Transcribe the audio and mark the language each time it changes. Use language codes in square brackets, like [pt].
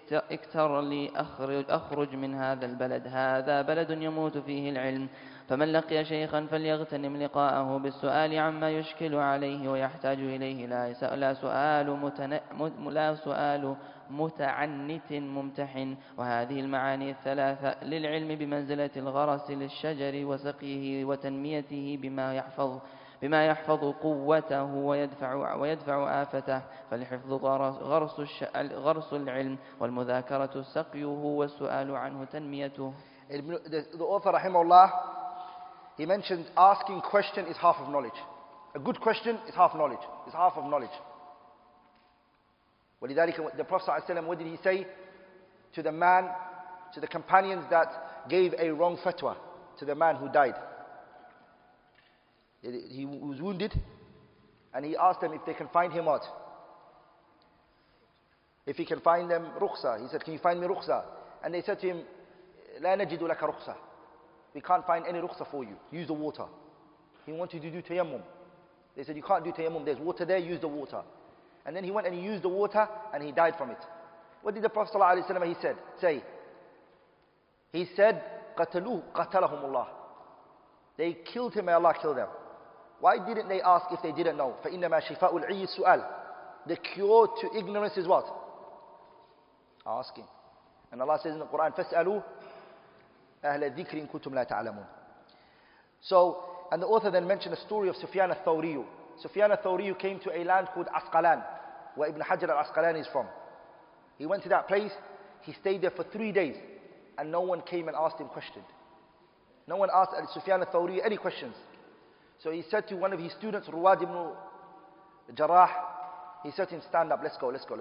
[ar] اكتر لي أخرج من هذا البلد هذا بلد يموت فيه العلم فمن لقي شيخا فليغتنم لقاءه بالسؤال عما يشكل عليه ويحتاج إليه لا سؤال متعنت ممتحن وهذه المعاني الثلاثة للعلم بمنزلة الغرس للشجر وسقيه وتنميته بما يحفظ قوته ويدفع آفته فالحفظ غرس العلم والمذاكرة سقيه والسؤال عنه تنميته. [en] The author rahimahullah, he mentioned asking question is half of knowledge. A good question is half knowledge. It's half of knowledge. [ar] ولذلك [en] the Prophet ﷺ, what did he say to the man, to the companions that gave a wrong fatwa to the man who died? He was wounded and he asked them if they can find him out. If he can find them rukhsa, he said, can you find me rukhsa? And they said to him, [ar] لا نجد لك رخصة. [en] We can't find any rukhsa for you, use the water. He wanted to do tayammum. They said, you can't do tayammum, there's water there, use the water. And then he went and he used the water and he died from it. What did the Prophet sallallahu alaihi wasallam, he said, [ar] قتلوه قتلهم الله. [en] They killed him, may Allah kill them. Why didn't they ask if they didn't know? [ar] فَإِنَّمَا شِفَاءُ الْعِيِّ السُّؤَالِ. [en] The cure to ignorance is what? Asking. And Allah says in the Quran, [ar] فَاسْأَلُوا أَهْلَ الذِّكْرِ إِن كُنتُمْ لَا تَعْلَمُونَ. [en] So, and the author then mentioned a story of Sufyan al-Thawri. Sufyan al-Thawri came to a land called Asqalan, where Ibn Hajar al-Asqalan is from. He went to that place, he stayed there for 3 days, and no one came and asked him questions. No one asked Sufyan al-Thawri any questions. So he said to one of his students, Ruwad ibn Jarrah, he said to him, stand up, let's go.